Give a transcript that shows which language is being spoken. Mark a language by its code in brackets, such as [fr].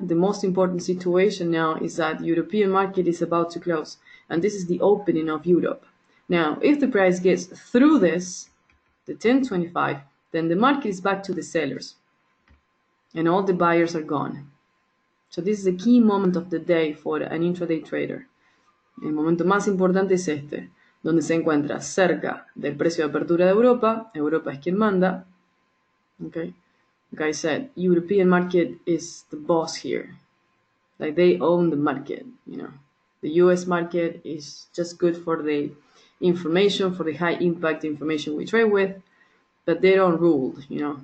[en] The most important situation now is that the European market is about to close, and this is the opening of Europe. Now, if the price gets through this, the 10.25, then the market is back to the sellers, and all the buyers are gone. So this is a key moment of the day for an intraday trader. [es] El momento más importante es este, donde se encuentra cerca del precio de apertura de Europa. Europa es quien manda. Okay. [en] Like I said, European market is the boss here. Like they own the market, you know. The US market is just good for the information, for the high impact information we trade with, but they don't rule, you know.